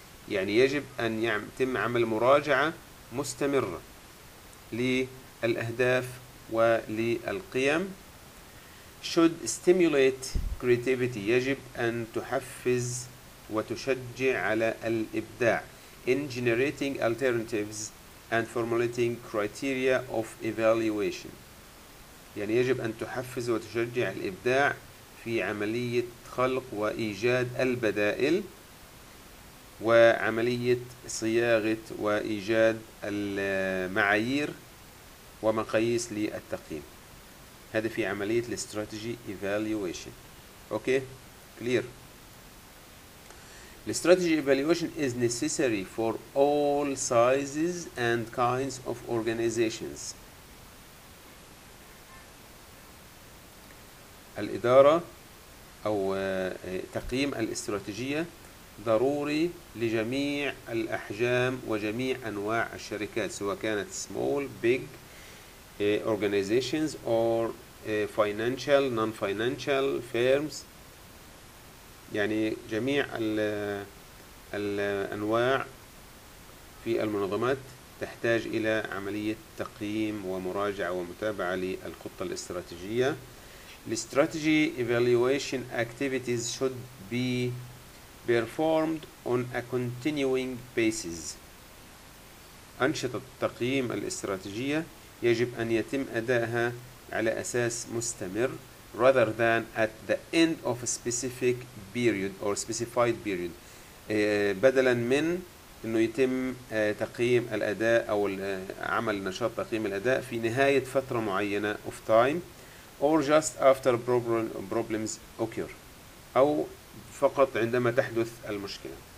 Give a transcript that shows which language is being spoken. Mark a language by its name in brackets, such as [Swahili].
[Arabic] يعني يجب أن يتم عمل مراجعة مستمرة للأهداف وللقيم. [English] should stimulate creativity. [Arabic] يجب أن تحفز وتشجع على الإبداع. [English] in generating alternatives and formulating criteria of evaluation. [Arabic] يعني يجب أن تحفز وتشجع الإبداع في عملية خلق وإيجاد البدائل وعملية صياغة وإيجاد المعايير ومقاييس للتقييم. هذا في عملية الاستراتيجي evaluation. [English] Okay clear. The strategy evaluation is necessary for all sizes and kinds of organizations. [Arabic] الإدارة أو تقييم الاستراتيجية ضروري لجميع الأحجام وجميع أنواع الشركات سواء كانت [English] small, big organizations or financial, non-financial firms. [Arabic] يعني جميع الأنواع في المنظمات تحتاج إلى عملية تقييم ومراجعة ومتابعة للخطة الاستراتيجية. [English] The strategy evaluation activities should be performed on a continuing basis. [Arabic] أنشطة تقييم الاستراتيجية يجب أن يتم أدائها على أساس مستمر [English] rather than at the end of a specific period or specified period. [Arabic] بدلا من أنه يتم تقييم الأداء أو عمل نشاط تقييم الأداء في نهاية فترة معينة [English] of time or just after problems occur [Arabic] أو فقط عندما تحدث المشكلة.